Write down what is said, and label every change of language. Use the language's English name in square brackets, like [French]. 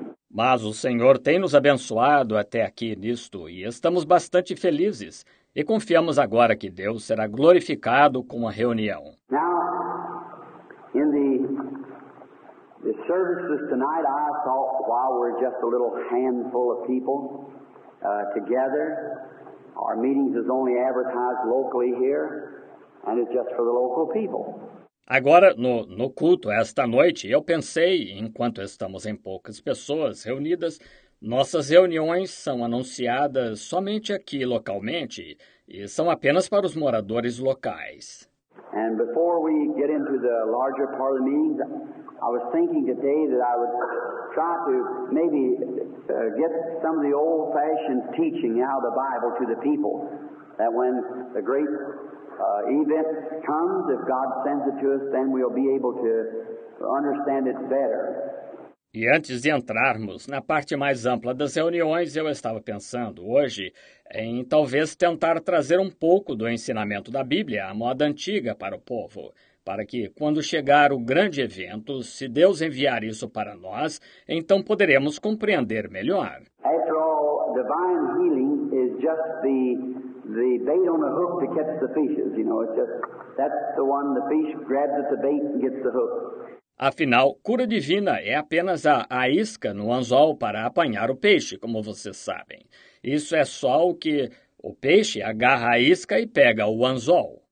[Portuguese] Mas o Senhor tem nos abençoado até aqui nisto e estamos bastante felizes e confiamos agora que Deus será glorificado com a reunião. [English] Now, in the services tonight, I thought while we're just a little handful of people together, our meetings is only advertised locally here, and it's just for the local people. [Portuguese] Agora, no culto, esta noite, eu pensei, enquanto estamos em poucas pessoas reunidas, nossas reuniões são anunciadas somente aqui localmente e são apenas para os moradores locais. [English] And before we get into the larger part of the meeting, I was thinking today that I would try to maybe get some of the old-fashioned teaching out of the Bible to the people, that when the great event comes, if God sends it to us, then we'll be able to understand it better. [Portuguese] E antes de entrarmos na parte mais ampla das reuniões, eu estava pensando hoje em talvez tentar trazer um pouco do ensinamento da Bíblia à moda antiga para o povo, para que, quando chegar o grande evento, se Deus enviar isso para nós, então poderemos compreender melhor. [English] After all, divine healing is just the bait on the hook to catch the fishes, you know, it's just, that's the one the fish grabs at the bait and gets the hook. [Portuguese] Afinal, cura divina é apenas a isca no anzol para apanhar o peixe, como vocês sabem. Isso é só o que o peixe agarra a isca e pega o anzol.